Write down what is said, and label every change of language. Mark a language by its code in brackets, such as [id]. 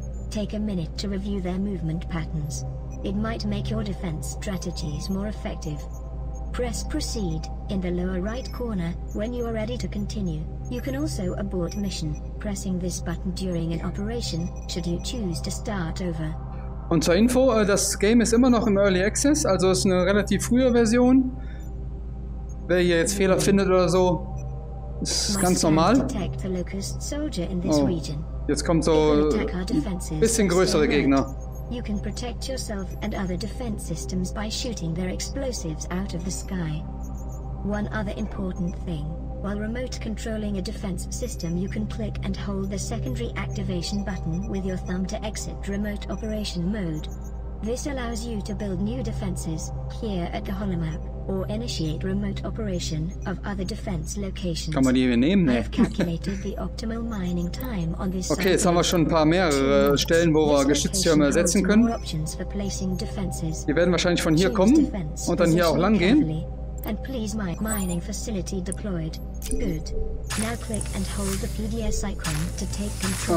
[en] Take a minute to review their movement patterns. It might make your defense strategies more effective. Press proceed in the lower right corner when you are ready to continue. You can also abort mission, pressing this button during an operation, should you choose to start over. [de] Und zur Info, das Game ist immer noch im Early Access, also ist eine relativ frühe Version. Wer hier jetzt Fehler findet oder so, ist ganz normal. Oh, jetzt kommt so ein bisschen größere Gegner. [en] You can protect yourself and other defense systems by shooting their explosives out of the sky. One other important thing, while remote controlling a defense system, you can click and hold the secondary activation button with your thumb to exit remote operation mode. This allows you to build new defenses here at the holomap or initiate remote operation of other defense locations. [de] Kann man die nehmen, ne? [en] I've calculated the optimal mining time on this. [de] Okay, jetzt haben wir schon ein paar mehrere Stellen, wo wir Geschütztürme setzen können. Wir werden wahrscheinlich von hier kommen und dann hier auch lang gehen. [en] And please my mining facility deployed. Good. Now click and hold the PDS icon to take control.